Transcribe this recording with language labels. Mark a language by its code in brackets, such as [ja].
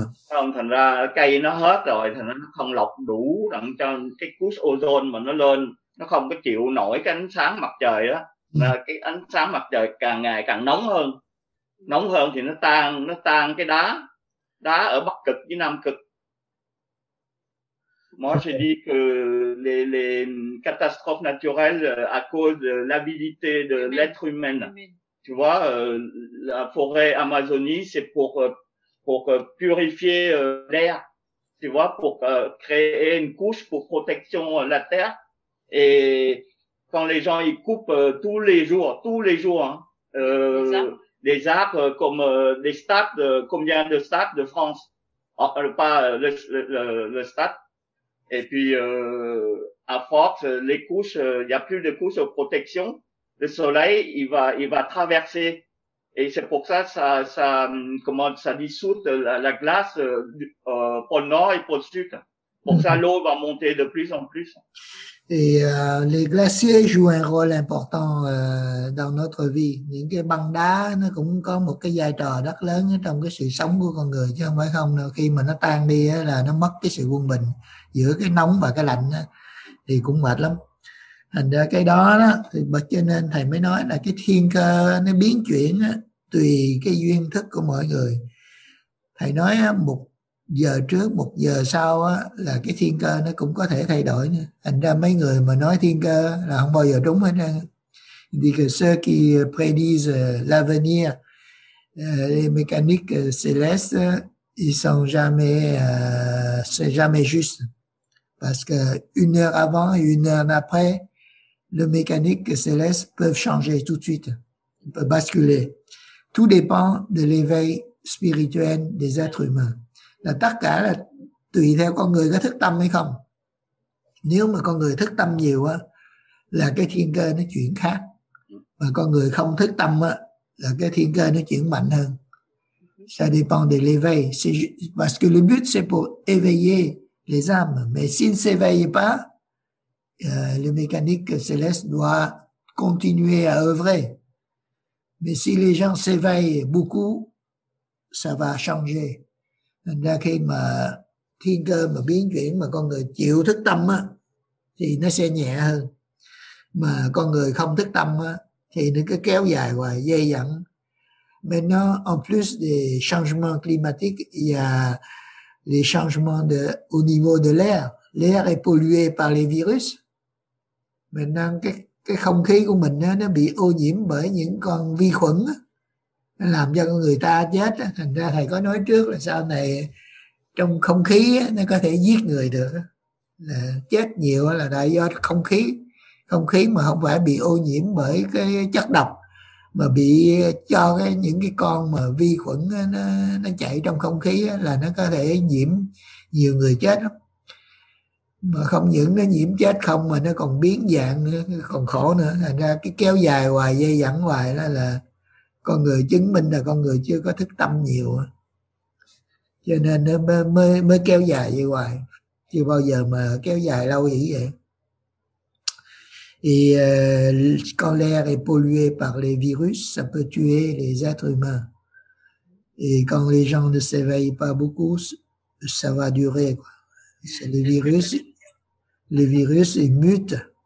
[vi] Không, thành ra cây nó hết rồi thì nó không lọc đủ đặng cho cái cuốc ozone mà nó lên, nó không có chịu nổi cái ánh sáng mặt trời đó. Cái ánh sáng mặt trời càng ngày càng nóng hơn thì nó tan cái đá ở Bắc Cực với Nam Cực. [fr] Moi j'ai dit que les catastrophes naturelles à cause de l'avidité de l'être humain. Tu vois, la forêt Amazonie c'est pour purifier l'air, tu vois, pour créer une couche pour protection de la terre. Et quand les gens ils coupent tous les jours des arbres comme des stades, combien de stades de France, pas le stade. Et puis à force les couches, il y a plus de couches de protection. Le soleil il va traverser, et c'est pour ça ça dissout la glace pôle nord et pôle sud. Pour ça l'eau va monter de plus en plus. Et les glaciers jouent un rôle important dans notre vie. [vi] Những cái băng đá nó cũng có một cái vai trò rất lớn trong cái sự sống của con người, chứ không phải không đâu. Khi mà nó tan đi là nó mất cái sự quân bình giữa cái nóng và cái lạnh thì cũng mệt lắm. Thành ra cái đó thì bật cho nên thầy mới nói là cái thiên cơ nó biến chuyển tùy cái duyên thức của mọi người. Thầy nói một giờ trước một giờ sau là cái thiên cơ nó cũng có thể thay đổi nữa. Thành ra mấy người mà nói thiên cơ là không bao giờ đúng hết. Vì cái [fr] ceux qui prédisent l'avenir, les mécaniques célestes, ils sont jamais justes. Parce que une heure avant et une heure après, les mécaniques célestes peuvent changer tout de suite, peuvent basculer. Tout dépend de l'éveil spirituel des êtres humains. [vi] Là tất cả là tùy theo con người có thức tâm hay không. Nếu mà con người thức tâm nhiều á, là cái thiên cơ nó chuyển khác. Mà con người không thức tâm á, là cái thiên cơ nó chuyển mạnh hơn. [fr] Ça dépend de l'éveil. Parce que le but c'est pour éveiller les âmes. Mais s'il ne s'éveille pas, le mécanique céleste doit continuer à œuvrer. Mais si les gens s'éveillent beaucoup, ça va changer. [vi] Thành ra khi mà thiên cơ mà biến chuyển mà con người chịu thức tâm á, thì nó sẽ nhẹ hơn. Mà con người không thức tâm á, thì nó cứ kéo dài hoài, dây dẫn. [fr] Maintenant, en plus des changements climatiques, il y a les changements au niveau de l'air. L'air est pollué par les virus. Maintenant, [vi] cái không khí của mình á, nó bị ô nhiễm bởi những con vi khuẩn á, làm cho con người ta chết. Thành ra thầy có nói trước là sau này trong không khí nó có thể giết người được, là chết nhiều là tại do không khí mà không phải bị ô nhiễm bởi cái chất độc, mà bị cho cái những cái con mà vi khuẩn nó chạy trong không khí là nó có thể nhiễm nhiều người chết lắm. Mà không những nó nhiễm chết không, mà nó còn biến dạng nữa, còn khổ nữa. Thành ra cái kéo dài hoài, dây dẫn hoài đó là con người chứng minh là con người chưa có thức tâm nhiều, cho nên nó mới kéo dài vậy hoài, chưa bao giờ mà kéo dài lâu như vậy. [fr] Et quand l'air est pollué par les virus, ça peut tuer les êtres humains. Et quand les gens ne s'éveillent pas beaucoup, ça va durer quoi. C'est le virus il mute.